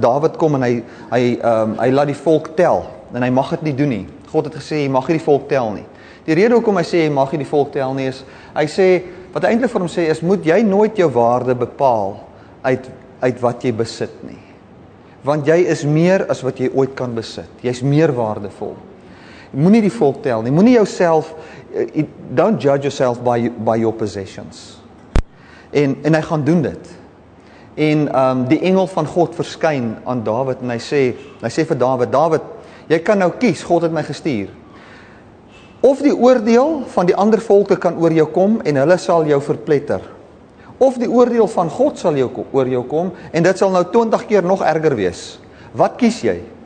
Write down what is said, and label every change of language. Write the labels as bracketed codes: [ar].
[af] Dawid kom en hy laat die volk tel. En hy mag dit nie doen nie. God het gesê, hy mag nie die volk tel nie. Die rede hoekom hy sê, hy mag nie die volk tel nie, is, hy sê, wat hy eintlik vir hom sê, is, moet jy nooit jou waarde bepaal uit wat jy besit nie. Want jy is meer as wat jy ooit kan besit. Jy is meer waardevol. Moenie die volk tel nie. Moenie jouself, [en] don't judge yourself by your possessions. [af] En hy gaan doen dit. En die engel van God verskyn aan Dawid en hy sê vir Dawid, Dawid, jy kan nou kies, God het my gestuur. Of die oordeel van die ander volke kan oor jou kom en hulle sal jou verpletter. Of die oordeel van God sal oor jou kom en dit sal nou 20 keer nog erger wees. Wat kies jy?